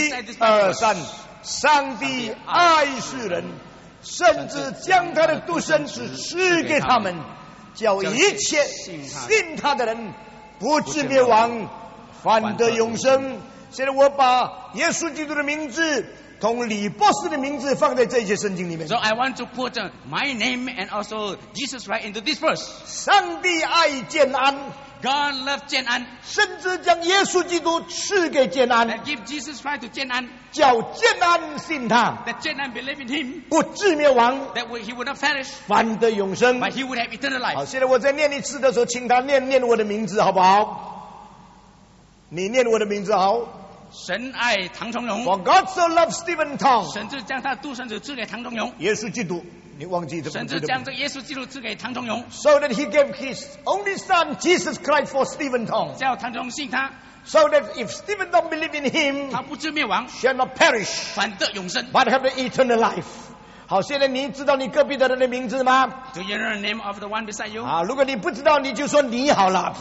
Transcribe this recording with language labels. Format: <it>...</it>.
<en>recite this verse</en> <zh>一二三上帝爱世人甚至将他的独生子赐给他们叫一切信他的人不至灭亡反得永生现在我把耶稣基督的名字同李博士的名字放在这些圣经里面。</zh> <en>So I want to put my name and also Jesus right into this verse.</en> <zh>上帝爱建安。</zh> <en>God loved 建安。</en> <zh>甚至将耶稣基督赐给建安。</zh> <en>That give Jesus right to 建安。</en> <zh>叫建安信他。</zh> <en>That 建安 believe in him.</en> <zh>不至灭亡。</zh> <en>That he would not perish.</en> <zh>反得永生。</zh> <en>But he would have eternal life.</en> <zh>好，现在我在念一次的时候，请他念念我的名字，好不好？你念我的名字，好。神爱唐崇荣</zh> <en>For God so loved Stephen Tong</en> <zh>甚至将他独生子赐给唐崇荣耶稣基督你忘记这甚至将这耶稣基督赐给唐崇荣</zh> <en>So that he gave his only son Jesus Christ for Stephen Tong</en> <zh>叫唐崇荣信他</zh> <en>So that if Stephen Tong believe in him</en> <zh>他不至灭亡</zh> <en>shall not perish</en> <zh>反得永生</zh> <en>but have the eternal life</en> <zh>好，现在你知道你隔壁的人的名字吗</zh> <en>？Do you know the name of the one beside you？</en> <zh>啊，如果你不知道，你就说你好了。</zh>